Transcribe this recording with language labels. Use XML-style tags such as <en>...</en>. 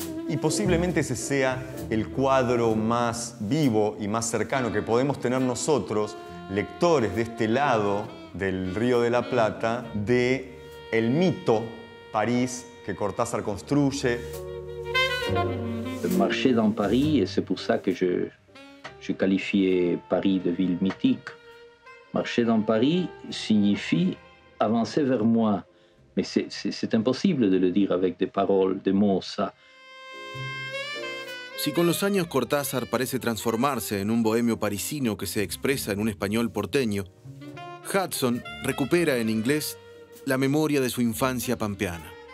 <es>Y posiblemente ese sea el cuadro más vivo y más cercano que podemos tener nosotros, lectores de este lado del Río de la Plata, de el mito París que Cortázar construye.</es> <fr>Marché dans Paris, et c'est pour ça que je qualifiais Paris de ville mythique. Marcher dans Paris signifie avancer vers moi. Mais c'est impossible de le dire avec des paroles, des mots, ça.</fr> <es>Si con los años Cortázar parece transformarse en un bohemio parisino que se expresa en un español porteño, Hudson recupera en inglés la memoria de su infancia pampeana.</es>